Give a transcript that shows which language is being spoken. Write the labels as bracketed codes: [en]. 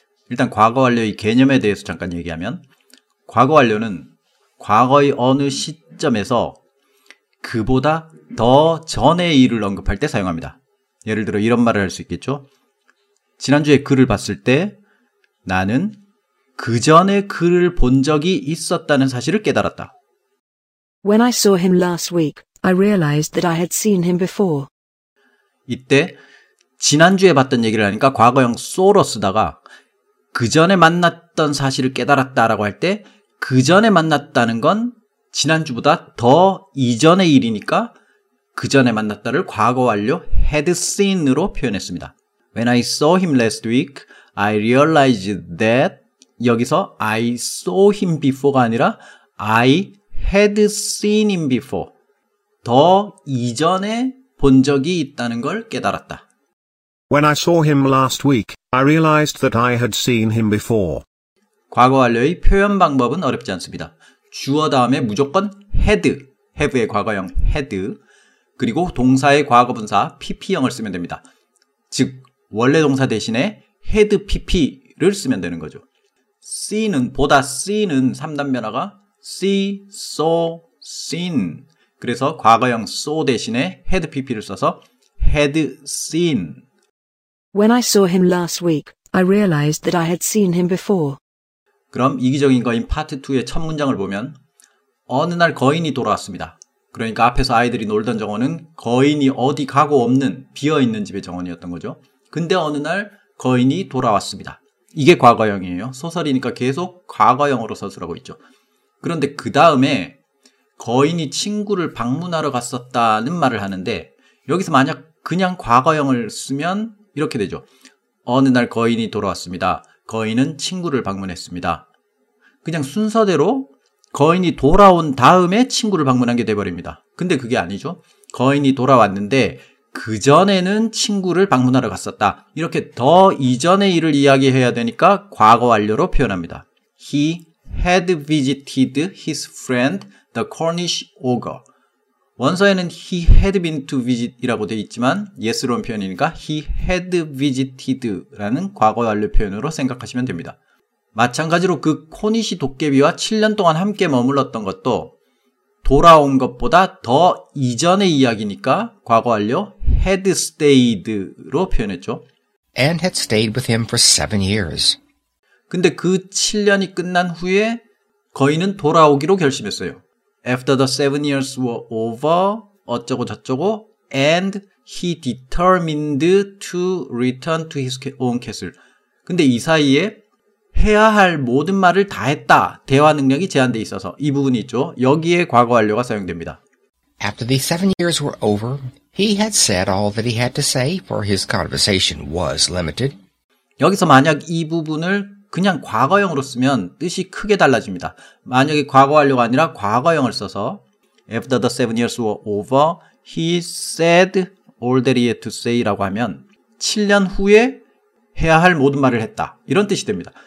[ko] 일단 과거 완료의 개념에 대해서 잠깐 얘기하면 과거 완료는 과거의 어느 시점에서 그보다 더 전의 일을 언급할 때 사용합니다. 예를 들어 이런 말을 할 수 있겠죠. 지난주에 글을 봤을 때 나는 그 전에 글을 본 적이 있었다는 사실을 깨달았다. [en] When I saw him last week, I realized that I had seen him before. [ko] 이때 지난주에 봤던 얘기를 하니까 과거형 saw로 쓰다가 그 전에 만났던 사실을 깨달았다라고 할 때 그 전에 만났다는 건 지난주보다 더 이전의 일이니까 그 전에 만났다를 과거 완료 had seen으로 표현했습니다. [en] When I saw him last week, I realized that [ko] 여기서 [en] I saw him before가 아니라 I had seen him before. [ko] 더 이전에 본 적이 있다는 걸 깨달았다. [en] When I saw him last week, I realized that I had seen him before. [ko] 과거 완료의 표현 방법은 어렵지 않습니다. 주어 다음에 무조건 had, have의 과거형 had, 그리고 동사의 과거분사 pp형을 쓰면 됩니다. 즉, 원래 동사 대신에 had pp를 쓰면 되는 거죠. seen은, 보다 seen은 3단 변화가 see, saw, seen. 그래서 과거형 saw 대신에 had pp를 써서 had seen. [en] When I saw him last week, I realized that I had seen him before. [ko] 그럼 이기적인 거인 파트 2의 첫 문장을 보면 어느 날 거인이 돌아왔습니다. 그러니까 앞에서 아이들이 놀던 정원은 거인이 어디 가고 없는 비어있는 집의 정원이었던 거죠. 근데 어느 날 거인이 돌아왔습니다. 이게 과거형이에요. 소설이니까 계속 과거형으로 서술하고 있죠. 그런데 그 다음에 거인이 친구를 방문하러 갔었다는 말을 하는데 여기서 만약 그냥 과거형을 쓰면 이렇게 되죠. 어느 날 거인이 돌아왔습니다. 거인은 친구를 방문했습니다. 그냥 순서대로 거인이 돌아온 다음에 친구를 방문한 게 돼버립니다. 근데 그게 아니죠. 거인이 돌아왔는데 그 전에는 친구를 방문하러 갔었다. 이렇게 더 이전의 일을 이야기해야 되니까 과거 완료로 표현합니다. [en] He had visited his friend, the Cornish ogre. [ko] 원서에는 [en] he had been to visit [ko] 이라고 되어 있지만 예스러운 표현이니까 he had visited라는 과거 완료 표현으로 생각하시면 됩니다. 마찬가지로 그 코니시 도깨비와 7년 동안 함께 머물렀던 것도 돌아온 것보다 더 이전의 이야기니까 과거 완료 had stayed로 표현했죠. [en] And had stayed with him for 7 years. [ko] 근데 그 7년이 끝난 후에 거인은 돌아오기로 결심했어요. [en] After the 7 years were over, [ko] 어쩌고 저쩌고, [en] and he determined to return to his own castle. [ko] 근데 이 사이에 해야 할 모든 말을 다 했다. 대화 능력이 제한되어 있어서 이 부분이 있죠. 여기에 과거 완료가 사용됩니다. [en] After the 7 years were over, he had said all that he had to say, for his conversation was limited. [ko] 여기서 만약 이 부분을 그냥 과거형으로 쓰면 뜻이 크게 달라집니다. 만약에 과거 완료가 아니라 과거형을 써서 [en] After the 7 years were over, he said all that he had to say [ko] 라고 하면 7년 후에 해야 할 모든 말을 했다. 이런 뜻이 됩니다.